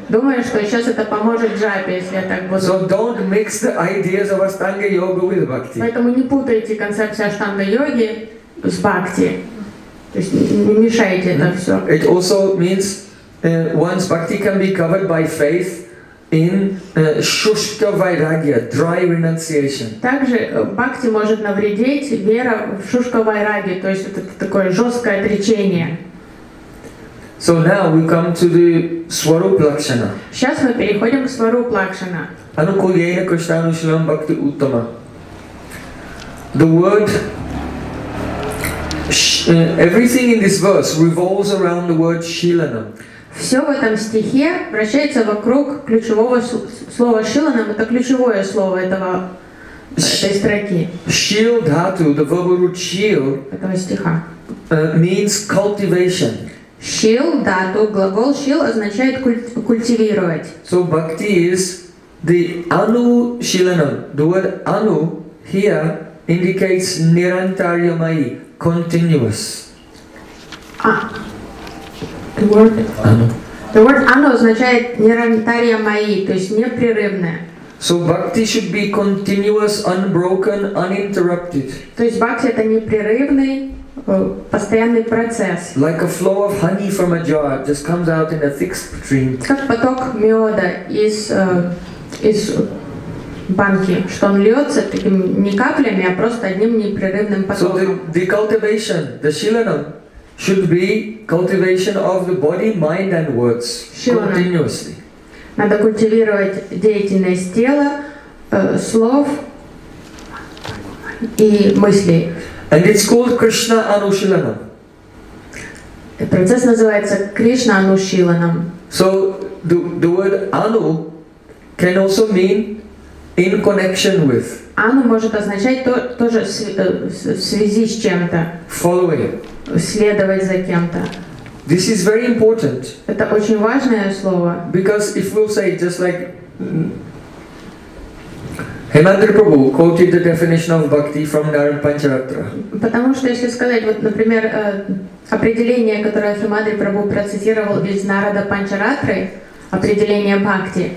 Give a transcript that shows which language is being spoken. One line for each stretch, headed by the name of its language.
Russian: Думаю, что сейчас это поможет джапе, если я так буду.
English: So don't mix the ideas of Ashtanga Yoga with bhakti.
Russian: Поэтому не путайте концепцию Аштанга йоги с бхакти. То есть не мешайте это все.
English: It also means one's bhakti can be covered by faith in shushka vairagya, dry renunciation.
Russian: Также бхакти может навредить вера в shushka vairagya, то есть это такое жесткое отречение.
English: So now we come to the swarup lakshana.
Russian: Сейчас мы переходим к swarup lakshana.
Sanskrit: Anukulyena krishtanushilam bhakti uttama.
English: The word everything in this verse revolves around the word shilanam.
Russian: Все в этом стихе вращается вокруг ключевого слова shilanam. Это ключевое слово этого этой строки.
English: Shil dhatu, the verb root shil,
Russian: этого стиха,
English: means cultivation.
Russian: Shil dhatu, глагол shil означает культивировать.
English: So bhakti is the anu shilanam. The word anu here indicates nirantaryamayi. Continuous. The word
Russian: anu означает nirantaryamayi, то есть непрерывное.
English: So bhakti should be continuous, unbroken, uninterrupted.
Russian: То есть бхакти это непрерывный постоянный процесс.
English: Like a flow of honey from a jar, just comes out in a thick stream.
Russian: Как поток меда из из банки, что он льется такими не каплями, а просто одним непрерывным потоком.
English: So the cultivation, the shilanam, should be cultivation of the body, mind, and words continuously.
Russian: Надо культивировать деятельность тела, слов и мыслей.
English: And it's called Krishna Anushilanam.
Russian: Процесс называется Krishna Anushilanam.
English: So the word Anu can also mean in connection with.
Russian: Anu может означать тоже в связи с чем-то.
English: Following.
Russian: Следовать за кем-то.
English: This is very important.
Russian: Это очень важное слово.
English: Because if we'll say just like Hemantra Prabhu quoted the definition of bhakti from Dharam Pancharatra.
Russian: Потому что если сказать, вот, например, определение, которое Hemantra Prabhu процитировал из Нарада Панчаратры, определение бхакти.